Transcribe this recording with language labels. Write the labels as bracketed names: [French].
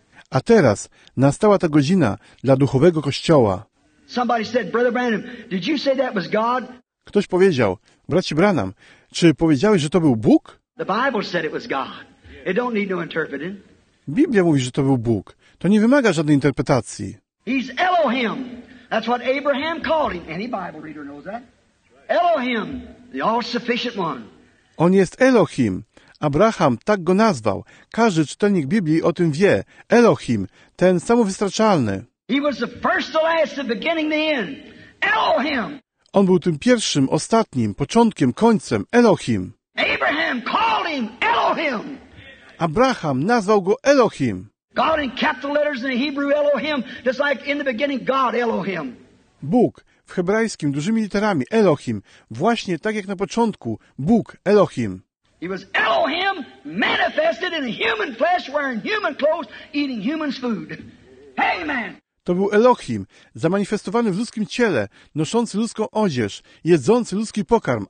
[Polish] A teraz nastała ta godzina dla duchowego Kościoła. [English] Somebody said, Brother Branham, did you say that was God? [Polish] Ktoś powiedział, bracie Branham, czy powiedziałeś, że to był Bóg? [English] The Bible said it was God. It don't need no interpreting. [Polish] Biblia mówi, że to był Bóg. To nie wymaga żadnej interpretacji. [English] He's Elohim. That's what Abraham called him. Any Bible reader knows that. Elohim, the all-sufficient one. [Polish] On jest Elohim. Abraham tak go nazwał. Każdy czytelnik Biblii o tym wie. Elohim, ten samowystarczalny. [English] He was the first, the last, the beginning, the end. Elohim. [Polish] On był tym pierwszym, ostatnim, początkiem, końcem. Elohim. [English] Abraham called him Elohim. [Polish] Abraham nazwał go Elohim. [English] God in capital letters in the Hebrew Elohim, just like in the beginning God Elohim. [Polish] Bóg w hebrajskim dużymi literami Elohim, właśnie tak jak na początku Bóg Elohim. [English] He was Elohim manifested in human flesh, wearing human clothes, eating human food. Amen. [Polish] To był Elohim, zamanifestowany w ludzkim ciele, noszący ludzką odzież, jedzący ludzki pokarm.